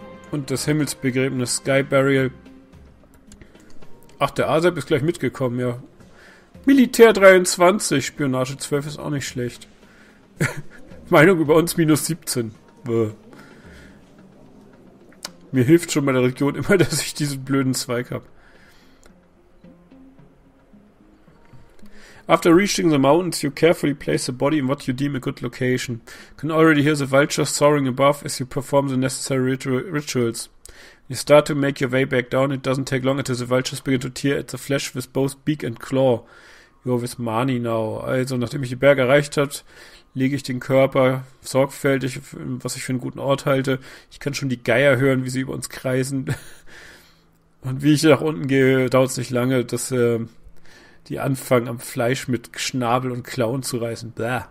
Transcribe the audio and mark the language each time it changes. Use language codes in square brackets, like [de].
[de] Und das Himmelsbegräbnis, Sky Burial. Ach, der Azeb ist gleich mitgekommen, ja. Militär 23, Spionage 12 ist auch nicht schlecht. Meinung über uns minus 17. Bäh. Mir hilft schon bei der Region immer, dass ich diesen blöden Zweig habe. [en] After reaching the mountains, you carefully place the body in what you deem a good location. You can already hear the vultures soaring above as you perform the necessary rituals. You start to make your way back down. It doesn't take long until the vultures begin to tear at the flesh with both beak and claw. Where is Marnie now? [de] Also, nachdem ich die Berge erreicht habe, lege ich den Körper sorgfältig, was ich für einen guten Ort halte. Ich kann schon die Geier hören, wie sie über uns kreisen. Und wie ich nach unten gehe, dauert es nicht lange, dass die anfangen, am Fleisch mit Schnabel und Klauen zu reißen. Bäh.